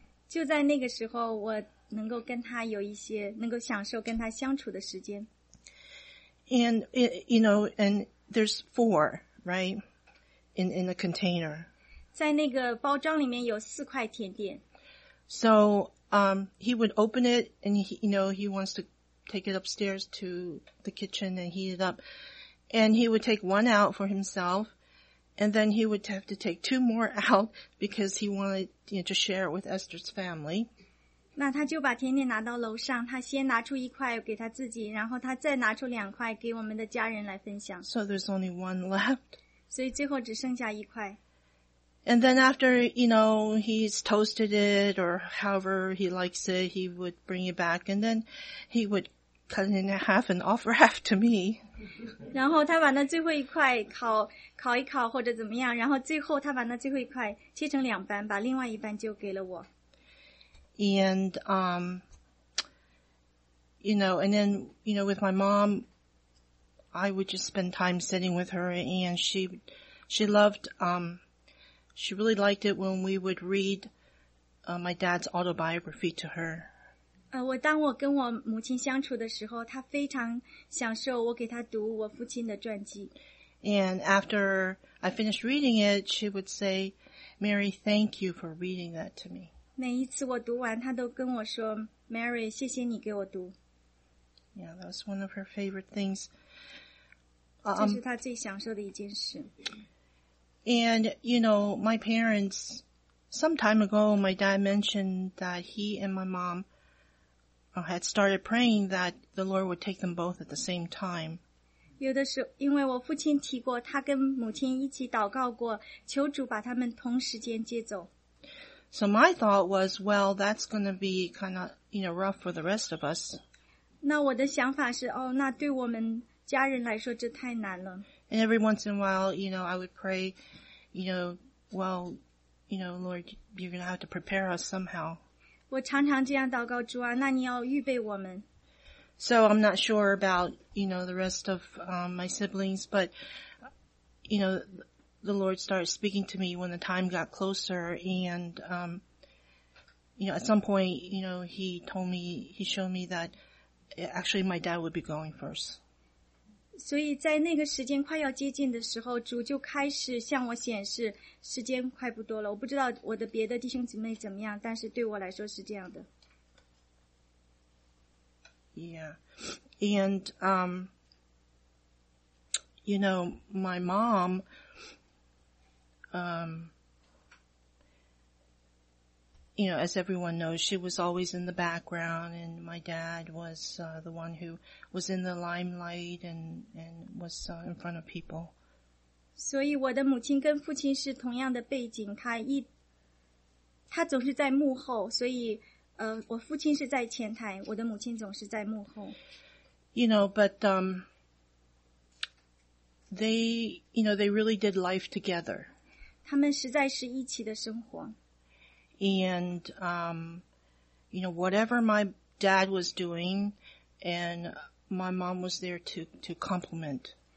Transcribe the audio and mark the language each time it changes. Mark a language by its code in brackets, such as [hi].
[zh] 就在那个时候我能够跟他有一些能够享受跟他相处的时间。 [en] And you know, and there's four, right? In a container. [zh] 在那个包装里面有四块甜点。 [en] So, he would open it and he, you know, he wants to take it upstairs to the kitchen and heat it up. And he would take one out for himself and then he would have to take two more out because he wanted, you know, to share it with Esther's family. [zh] 那他就把甜点拿到楼上，他先拿出一块给他自己，然后他再拿出两块给我们的家人来分享。 [en] So there's only one left. [zh] 所以最后只剩下一块。 [en] And then after, you know, he's toasted it or however he likes it, he would bring it back and then he would cut it in half and offer half to me. [zh] 然后他把那最后一块烤一烤或者怎么样，然后最后他把那最后一块切成两半，把另外一半就给了我。 [en] And, you know, and then, you know, with my mom, I would just spend time sitting with her and she loved, she really liked it when we would read, my dad's autobiography to her. [zh] 我当我跟我母亲相处的时候，她非常享受我给她读我父亲的传记。 [en] And after I finished reading it, she would say, Mary, thank you for reading that to me. [zh] 每一次我读完，她都跟我说 ,Mary, 谢谢你给我读。 [en] Yeah, that was one of her favorite things. [zh] 这是她最享受的一件事。 [en] And, you know, my parents, some time ago, my dad mentioned that he and my mom had started praying that the Lord would take them both at the same time. [zh] 有的时候，因为我父亲提过，他跟母亲一起祷告过，求主把他们同时间接走。 [en] So my thought was, well, that's going to be kind of, you know, rough for the rest of us. [zh] 那我的想法是，哦，那对我们家人来说，这太难了。 [en] And every once in a while, you know, I would pray, you know, well, you know, Lord, you're going to have to prepare us somehow. [zh] 我常常这样祷告，主啊，那你要预备我们。 [en] So I'm not sure about, you know, the rest of my siblings, but, you know, the Lord started speaking to me when the time got closer. And, you know, at some point, you know, he told me, he showed me that actually my dad would be going first. [zh] 所以在那个时间快要接近的时候，主就开始向我显示时间快不多了。我不知道我的别的弟兄姊妹怎么样，但是对我来说是这样的。 [en] Yeah, and you know, my mom, you know, as everyone knows, she was always in the background, and my dad was the one who was in the limelight and was in front of people. [zh] 所以我的母亲跟父亲是同样的背景，他总是在幕后，所以。我父亲是在前台，我的母亲总是在幕后。 [en] You know, but they, you know, they really did life together. [zh] 他们实在是一起的生活。 [en] And you know, whatever my dad was doing, and my mom was there to compliment.